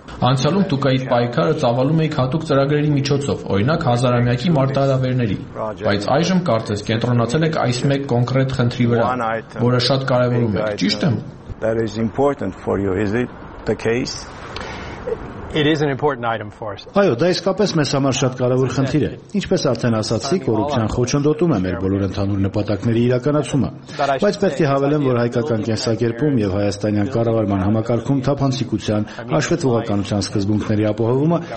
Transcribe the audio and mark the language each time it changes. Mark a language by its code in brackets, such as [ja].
[hy] Անցյալում դուք այդ պայքարը ծավալում էիք հատուկ ծրագրերի միջոցով, օրինակ հազարամյակի մարտահրավերների, բայց այժմ կարծես կենտրոնացել եք այս մեկ կոնկրետ խնդրի վրա, որը շատ կարևորում եք, ճիշտ եմ։ [en] That is important for you, is it the case? It is an important item for us. [hy] Այո, դա իսկապես մեզ համար շատ կարևոր խնդիր է։ Ինչպես արդեն ասացի, կոռուպցիան խոչընդոտում է մեր բոլոր ընդհանուր նպատակների իրականացումը, բայց պետք է հավելեմ, որ հայկական կենսակերպում եւ հայաստանյան կառավարման համակարգում թափանցիկության, հաշվետվողականության սկզբունքների ապահովումը